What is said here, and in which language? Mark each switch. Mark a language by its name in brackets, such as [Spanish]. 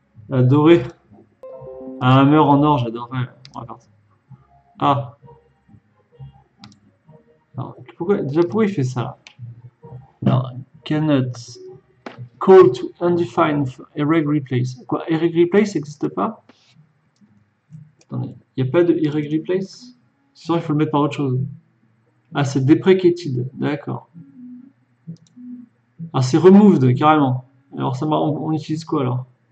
[French] Adoré! Un Hummer en or, j'adore. Ah. Alors, pourquoi il fait ça? [English] Alors, cannot call to undefined Eric replace. [French] Quoi, Eric replace n'existe pas? Attendez, il n'y a pas de Eric replace? Sinon, il faut le mettre par autre chose. Ah, c'est deprecated, d'accord. Ah, c'est removed, carrément. Alors, ça, on utilise quoi alors?